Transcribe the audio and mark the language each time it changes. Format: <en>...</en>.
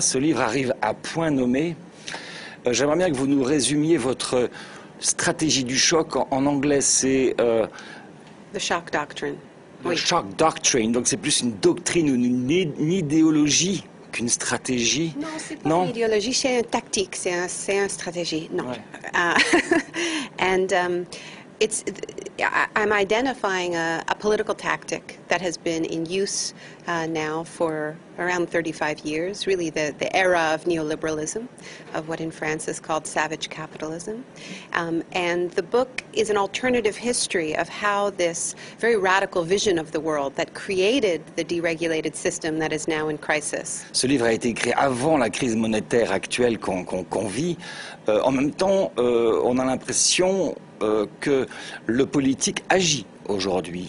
<fr>Ce livre arrive à point nommé. J'aimerais bien que vous nous résumiez votre stratégie du choc. En anglais, c'est...</fr> <en>The shock doctrine.</en> <fr>Shock doctrine, donc c'est plus une doctrine ou une idéologie qu'une stratégie. Non, c'est pas une idéologie, c'est une tactique, c'est une stratégie. Non. Ouais.</fr> <en>I'm identifying a political tactic that has been in use now for around 35 years, really the era of neoliberalism, of what in France is called savage capitalism. And the book is an alternative history of how this very radical vision of the world that created the deregulated system that is now in crisis.</en> <fr>Ce livre a été écrit avant la crise monétaire actuelle qu'on vit. En même temps, on a l'impression que le politique agit aujourd'hui, mm-hmm.</fr>